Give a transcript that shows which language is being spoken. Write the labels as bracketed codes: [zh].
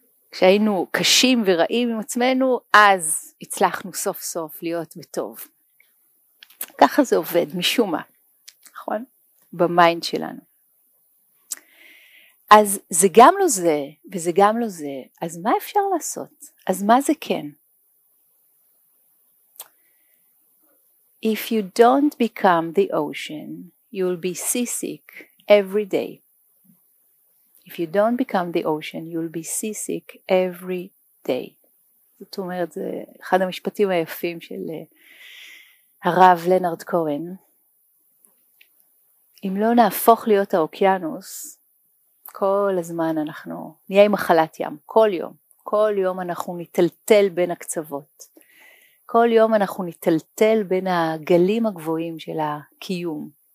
[he] כשהיינו קשים ורעים עם עצמנו, אז הצלחנו סוף סוף להיות בטוב. ככה זה עובד, משום מה. נכון? במיינד שלנו. אז זה גם לא זה, וזה גם לא זה, אז מה אפשר לעשות? אז מה זה כן? [en] If you don't become the ocean, you'll be seasick every day. If you don't become the ocean, you'll be seasick every day. [he] זאת אומרת, זה אחד המשפטים היפים של הרב לנרד קורן. אם לא נהפוך להיות האוקיינוס, כל הזמן אנחנו נהיה עם מחלת ים, כל יום. כל יום אנחנו נטלטל בין הקצוות. כל יום אנחנו נטלטל בין הגלים הגבוהים של הקיום.